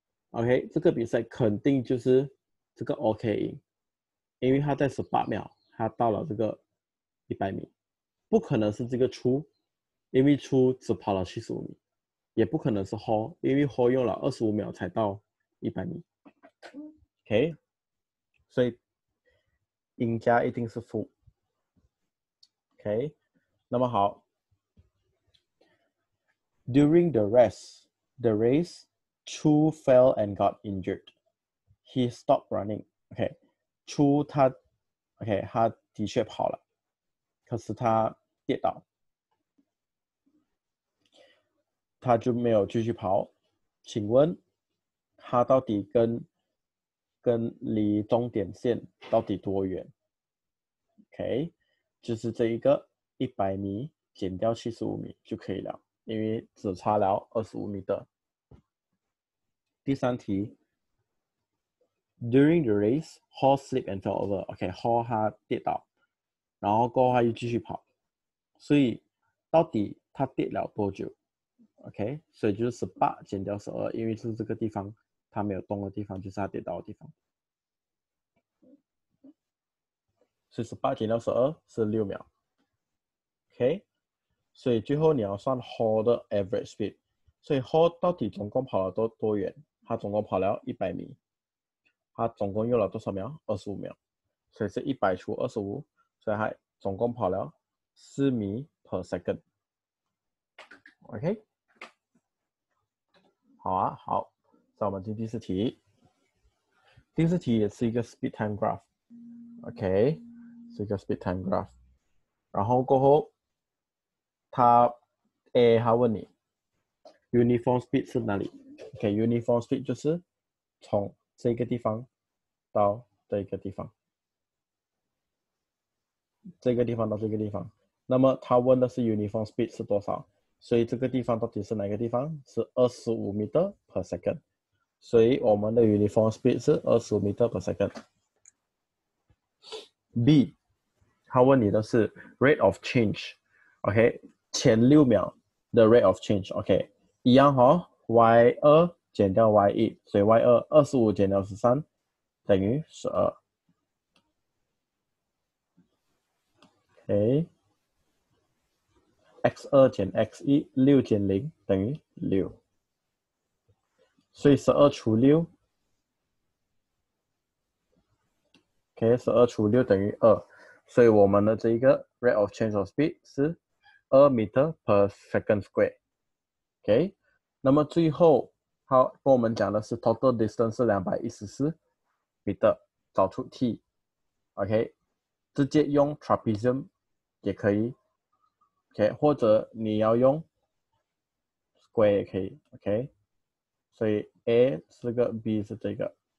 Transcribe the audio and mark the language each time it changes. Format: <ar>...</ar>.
<zh>OK， 这个比赛肯定就是这个 OK 赢，因为他在18秒他到了这个100米，不可能是这个初，因为初只跑了75米，也不可能是 Hall， 因为 Hall 用了25秒才到100米。 OK， 所以赢家一定是 Full。</zh> <en>OK，</en> <zh>那么好</zh> <en>，During the race，the race。 Chu fell and got injured. He stopped running.</en> <zh>Okay, Chu 他 okay 他的确跑了，可是他跌倒，他就没有继续跑。请问他到底跟离终点线到底多远 ？Okay， 就是这一个100米减掉75米就可以了，因为只差了25米的。第三题</zh> <en>，During the race, Hall slipped and fell over.</en> <zh>Okay, Hall 他跌倒，然后过后他又继续跑，所以到底他跌了多久 ？Okay, 所以就是18减掉12，因为是这个地方他没有动的地方，就是他跌倒的地方，所以18减掉12是6秒。 Okay, 所以最后你要算 Hall 的 average speed， 所以 Hall 到底总共跑了多远？他总共跑了100米，他总共用了多少秒？ 25秒，所以是100除25，所以他总共跑了4米 per second。 OK， 好啊，好，那我们进第四题。第四题也是一个 speed time graph， OK， 是一个 speed time graph。然后过后，他 A 他问你 uniform speed 是哪里？ Okay, uniform speed 就是从这个地方到这个地方，这个地方到这个地方。那么他问的是 uniform speed 是多少，所以这个地方到底是哪个地方？是25 meter per second， 所以我们的 uniform speed 是25 meter per second。 B 他问你的是 rate of change， OK， 前6秒的 rate of change， OK， 一样哦，Y2 减掉 Y1， 所以 Y2 25减掉13等于12。 OK， X2 减 X1， 6减0等于6，所以12除6， OK， 12除6等于2，所以我们的这一个 rate of change of speed 是2 meter per second square。 OK，那么最后他跟我们讲的是 total distance 是214 meter， 找出 t， OK， 直接用 trapezium 也可以， OK， 或者你要用 square 也可以， OK， 所以 A 是这个， B 是这个。</zh>